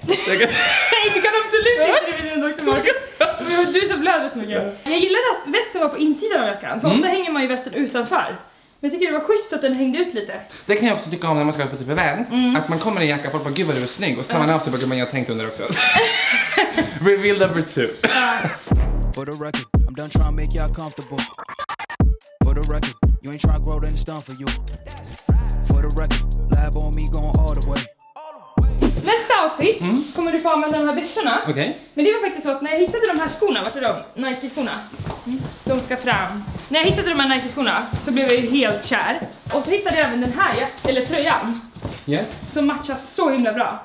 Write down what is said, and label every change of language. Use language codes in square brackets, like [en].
[sv] Nej, du kan absolut inte skriva in Dr. Martens. Men du är så blöder så mycket. Jag gillar att västen var på insidan av jackan. För ofta hänger man ju västen utanför. Men jag tycker det var schysst att den hängde ut lite. Det kan jag också tycka om när man ska på typ events. Mm. Att man kommer i en jacka och bara, gud vad du är snygg. Och så kan man av sig på, gud, men jag tänkte under också. [en] Reveal number two. For the record, I'm done trying to make y'all comfortable. For the record, you ain't trying to grow, then it's done for you. For the record, lab on me going all the way. [sv] Nästa outfit kommer du få använda de här byxorna. [en] Okay. [sv] Men det var faktiskt så att när jag hittade de här skorna, vart är de? Nike-skorna. De ska fram. När jag hittade de här Nike-skorna så blev jag ju helt kär. Och så hittade jag även den här, eller tröjan. [en] Yes. [sv] Som matchar så himla bra.